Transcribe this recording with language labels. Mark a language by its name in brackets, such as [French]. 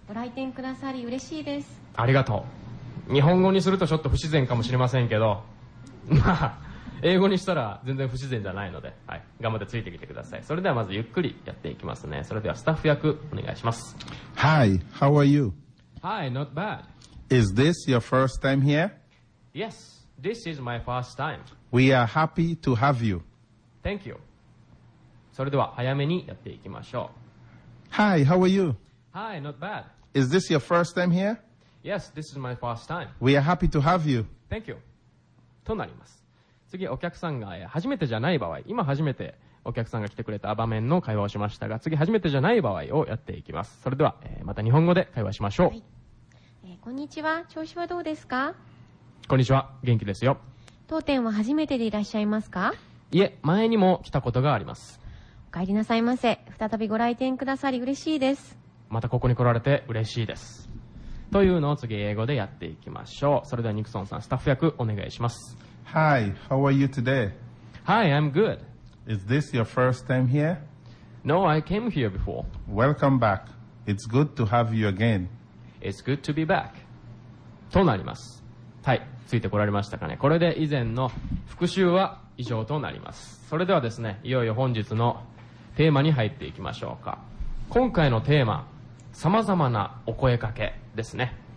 [Japanese] ご来店くださり嬉しいです。ありがとう。日本語にするとちょっと不自然かもしれませんけど、まあ英語にしたら全然不自然じゃないので、はい、頑張ってついてきてください。それではまずゆっくりやっていきますね。それではスタッフ役お願いします。 [English] Hi, how are you? Hi, not bad. Is this your first time here? Yes, this is my first time. We are happy to have you. Thank you. [Japanese] それでは早めにやっていきましょう。 [English] Hi, how are you? Hi, not bad. Is this your first time here? Yes, this is my first time. We are happy to have you. Thank you. [Japanese] となります。次、お客さんが初めてじゃない場合、今初めてお客さんが来てくれた場面の会話をしましたが、次初めてじゃない場合をやっていきます。それではまた日本語で会話しましょう。はい、こんにちは、調子はどうですか？こんにちは、元気ですよ。当店は初めてでいらっしゃいますか？いえ、前にも来たことがあります。お帰りなさいませ。再びご来店くださり嬉しいです。またここに来られて嬉しいです。というのを次英語でやっていきましょう。それではニクソンさん、スタッフ役お願いします。 [English] Hi, how are you today? Hi, I'm good. Is this your first time here? No, I came here before. Welcome back. It's good to have you again. It's good to be back. [Japanese] となります。はい、ついてこられましたかね。これで以前の復習は以上となります。それではですね、いよいよ本日のテーマに入っていきましょうか。今回のテーマ、さまざまなお声かけですね。